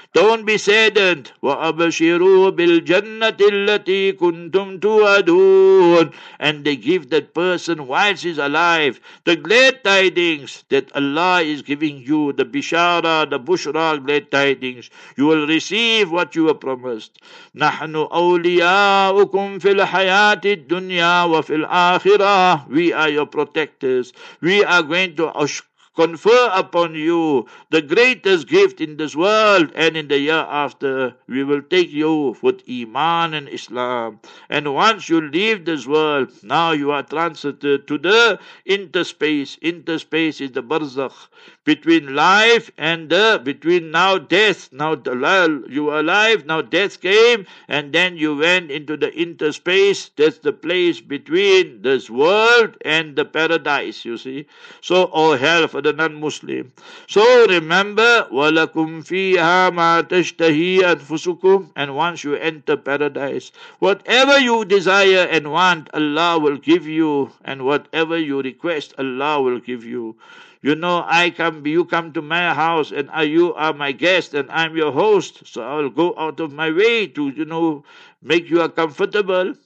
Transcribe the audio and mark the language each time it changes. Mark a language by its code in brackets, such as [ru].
[en] Don't be saddened. [ar] Wa abashiru bil jannati allati kuntum tu'adun. [en] And they give that person, whilst he's alive, the glad tidings that Allah is giving you, the bishara, the bushra, glad tidings. You will receive what you were promised. [ar] نحن أولياؤكم في الحياة الدنيا وفي الآخرة. [en] We are your protectors. We are going to confer upon you the greatest gift in this world and in the year after. We will take you with Iman and Islam. And once you leave this world, now you are transited to the interspace. Interspace is the barzakh. Between life and the, between now death, now the, you are alive, now death came, and then you went into the interspace. That's the place between this world and the paradise, you see. So all hell for the non-Muslim. So remember, [ar] وَلَكُمْ فِيهَا مَا تَشْتَهِي أَنفُسُكُمْ. [en] And once you enter paradise, whatever you desire and want, Allah will give you, and whatever you request, Allah will give you. You know, you come to my house and you are my guest and I'm your host. So I'll go out of my way to, you know, make you comfortable.